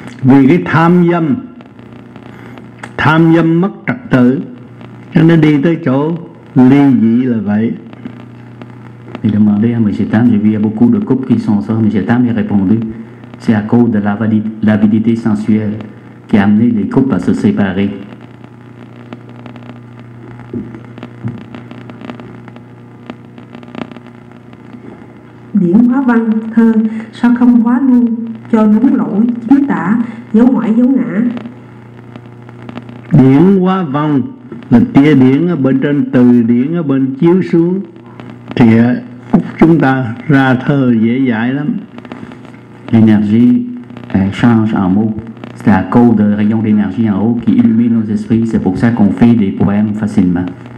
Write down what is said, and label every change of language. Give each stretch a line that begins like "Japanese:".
Vietnamese: Vì cái tham dâm, tham dâm mất trật tự, cho nên đi tới chỗ ly dị là vậy.
French: J'ai demandé à M. Tam, j'ai vu qu'il y a beaucoup de couples qui sont ça. M. Tam a répondu, c'est à cause de l'avidité sensuelle qui a amené les couples à se séparer.
Vietnamese: Điển hóa văn thơ, sao không hóa luôn cho đúng lỗi, chính tả, dấu ngoại dấu ngã. Điển hóa văn là tia điển ở bên trên, từ điển ở bên chiếu xuống thì chúng ta ra thơ dễ dãi lắm.
French: L'énergie change en mots. C'est à cause de rayon d'énergie en haut qui illumine nos esprits. C'est pour ça qu'on fait des poèmes facilement.